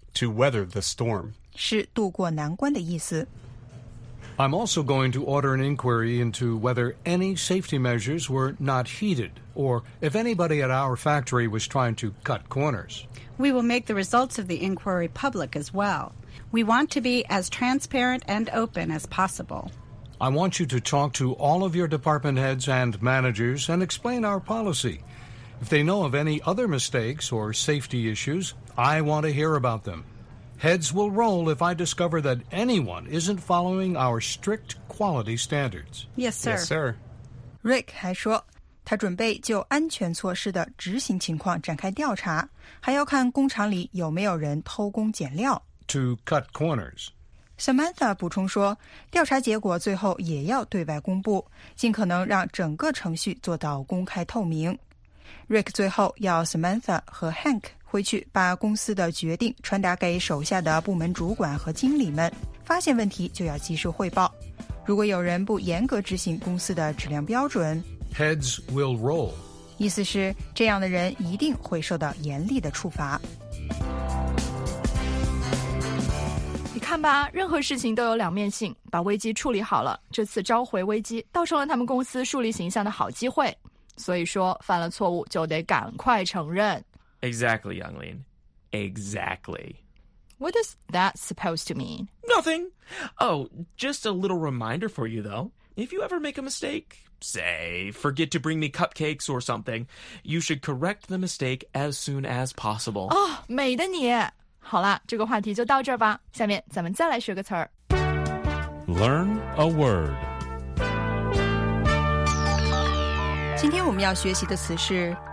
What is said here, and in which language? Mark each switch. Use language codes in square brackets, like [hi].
[en] To weather the storm. [zh] 是度过难关的意思。 [en] I'm also going to order an inquiry into whether any safety measures were not heeded, or if anybody at our factory was trying to cut corners. We will make the results of the inquiry public as well. We want to be as transparent and open as possible. I want you to talk to all of your department heads and managers and explain our policy. If they know of any other mistakes or safety issues, I want to hear about them. Heads will roll if I discover that anyone isn't following our strict quality standards. Yes, sir. Yes, sir. [zh] Rick 还说，他准备就安全措施的执行情况展开调查，还要看工厂里有没有人偷工减料。 [en] To cut corners. [zh] Samantha 补充说，调查结果最后也要对外公布，尽可能让整个程序做到公开透明。 Rick 最后要 Samantha 和 Hank 回去把公司的决定传达给手下的部门主管和经理们，发现问题就要及时汇报，如果有人不严格执行公司的质量标准， [en] Heads will roll， [zh] 意思是这样的人一定会受到严厉的处罚。看吧，任何事情都有两面性，把危机处理好了，这次召回危机倒成了他们公司树立形象的好机会。所以说，犯了错误就得赶快承认。 [en] Exactly, Younglin. Exactly. What is that supposed to mean? Nothing. Oh, just a little reminder for you, though. If you ever make a mistake, say, forget to bring me cupcakes or something, you should correct the mistake as soon as possible. [zh] Oh, 美的你。好了，这个话题就到这儿吧。下面咱们再来学个词儿。 [en] Learn a word。 [zh] 今天我们要学习的词是